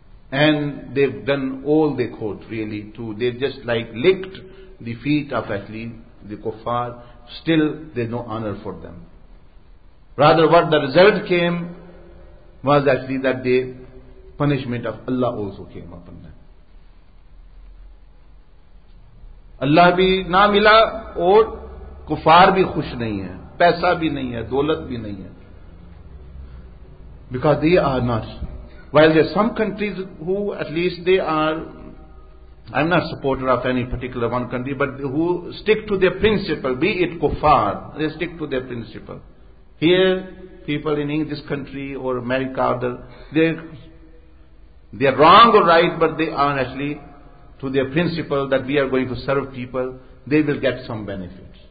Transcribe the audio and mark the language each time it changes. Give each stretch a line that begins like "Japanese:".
English: And they've done all they could really to, they've just like licked the feet of actually the kuffar. Still there's no honor for them. Rather what the result came was actually that the punishment of Allah also came upon them.
Urdu: اللہ بھی نہ ملا اور کفار بھی خوش نہیں ہے, پیسہ بھی نہیں ہے, دولت بھی نہیں ہے.
English: Because they are not. While there are some countries who at least they are, I am not a supporter of any particular one country, but who stick to their principle, be it kufar, they stick to their principle. Here, people in English country or America, they are wrong or right, but they are actually to their principle that we are going to serve people, they will get some benefits.